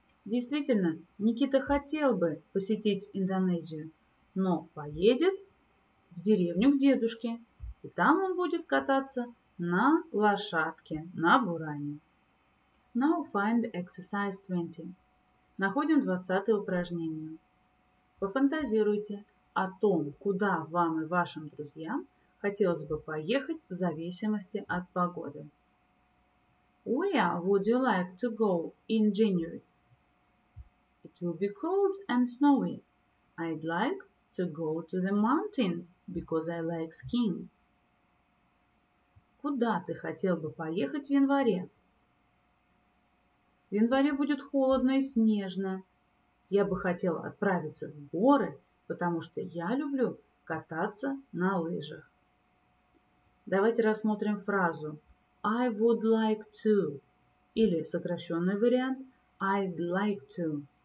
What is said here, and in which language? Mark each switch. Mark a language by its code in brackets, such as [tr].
[ru] Действительно, Никита хотел бы посетить Индонезию, но поедет в деревню к дедушке, и там он будет кататься на лошадке, на буране. [en] Now find exercise 20. [ru] Находим 20-е упражнение. Пофантазируйте о том, куда вам и вашим друзьям хотелось бы поехать в зависимости от погоды. [en] Where would you like to go in January? It will be cold and snowy. I'd like to go to the mountains because I like skiing. [ru] Куда ты хотел бы поехать в январе? В январе будет холодно и снежно. Я бы хотел отправиться в горы, потому что я люблю кататься на лыжах. Давайте рассмотрим фразу [en] I would like to [ru] или сокращенный вариант [en] I'd like to.